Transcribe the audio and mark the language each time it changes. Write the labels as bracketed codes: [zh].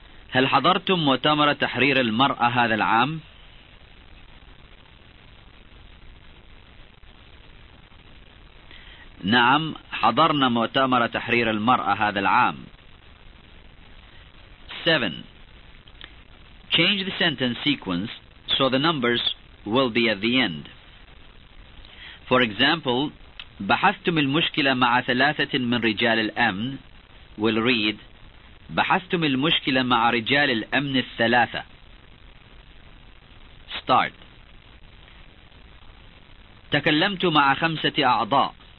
[ar] هل حضرتم مؤتمر تحرير المرأة هذا العام؟ نعم حضرنا مؤتمر تحرير المرأة هذا العام. 7. [en] Change the sentence sequence so the numbers will be at the end. For example, [ar] بحثتم المشكلة مع ثلاثة من رجال الأمن. [en] We'll read [ar] بحثتم المشكلة مع رجال الأمن الثلاثة. [en] Start [ar] تكلمت مع خمسة أعضاء.